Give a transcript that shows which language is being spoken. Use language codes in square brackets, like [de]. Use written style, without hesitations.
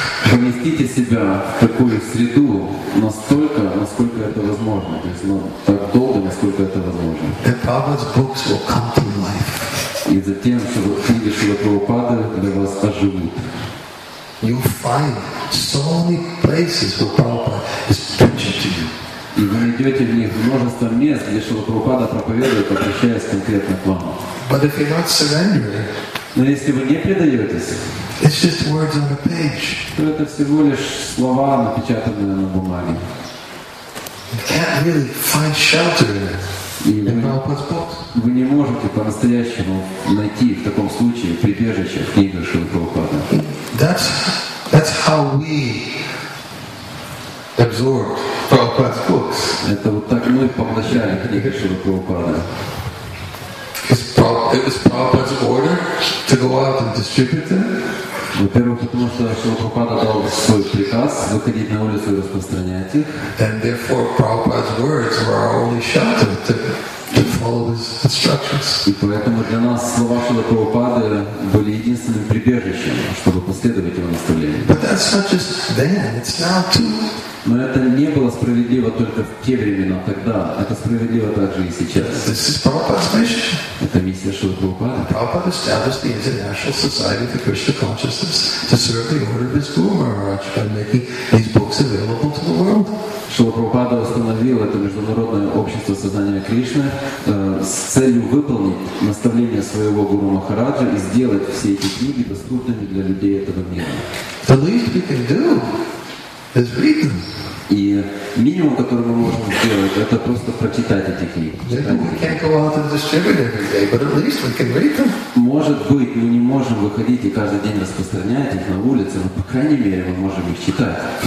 [ru] Поместите себя в такую среду настолько, насколько это возможно, то есть так долго, насколько это возможно. [en] And Prabhupada's books will come to life. [ru] И затем, чтобы книги Шрилы Прабхупады для вас оживут. [en] You find so many places where Prabhupada is preaching to you. [ru] И вы найдете в них множество мест, где Шрила Прабхупада проповедует, обращаясь конкретно к вам. [en] But if you're not surrendering, [ru] но если вы не предаетесь, [en] it's just words on a page. [ru] То это всего лишь слова, напечатанные на бумаге. [en] You can't really find shelter in it. [ru] Вы не можете по-настоящему найти в таком случае прибежище в книге Шрилы Прабхупады. [en] That's how we absorb Prabhupada's books. [ru] Это вот так мы поглощаем книги Шрилы Прабхупады. [en] It was Prabhupada's order to go out and distribute them. [ru] Во-первых, потому что Шрила Прабхупада дал свой приказ выходить на улицу и распространять их. [en] And therefore, Prabhupada's words were our only shelter to follow his instructions. [ru] И поэтому для нас слова Шрила Прабхупады были единственным прибежищем, чтобы последовать его наставлениям. [en] But that's not just then, it's now too. [ru] Но это не было справедливо только в те времена, тогда. Это справедливо также и сейчас. [en] This is Prabhupada's mission. [ru] Это миссия Шрилы Прабхупады. [en] Prabhupada established the International Society for Krishna Consciousness to serve the order of his Guru Maharaj by making these books available to the world. [ru] Шрила Прабхупада установил это международное общество сознания Кришны с целью выполнить наставление своего Гуру Махараджа и сделать все эти книги доступными для людей этого мира. [en] The least we can do is read them. [ru] И минимум, который мы можем сделать, это просто прочитать эти книги. Может быть, мы не можем выходить и каждый день распространять их на улице, но, по крайней мере, мы можем их читать.